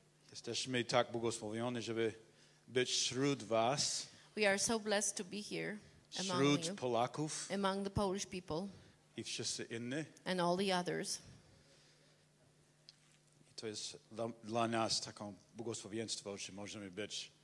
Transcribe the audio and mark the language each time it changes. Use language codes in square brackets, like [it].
[pl] Jesteśmy tak błogosławieni, żeby być wśród was. [en] We are so blessed to be here among you. [pl] Wśród Polaków. [en] Among the Polish people. [pl] I wszyscy inni. [en] And all the others. [pl] To jest dla nas taką błogosławieństwo, że możemy być.